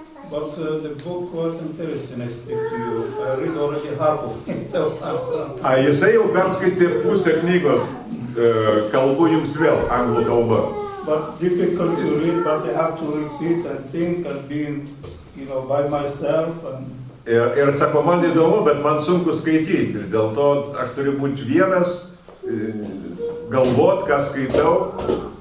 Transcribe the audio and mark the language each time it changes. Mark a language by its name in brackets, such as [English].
[English] But the book quite interesting, I speak to you. I read already half of it. So you say you [Lithuanian] perskaitė pusę knygos, kalbu jums vėl anglų kalba. [English] But difficult to read, but I have to repeat and think and be, by myself. And [Lithuanian] ir sako, man įdomu, bet man sunku skaityti. Ir dėl to aš turiu būti vienas, galvot, ką skaitau.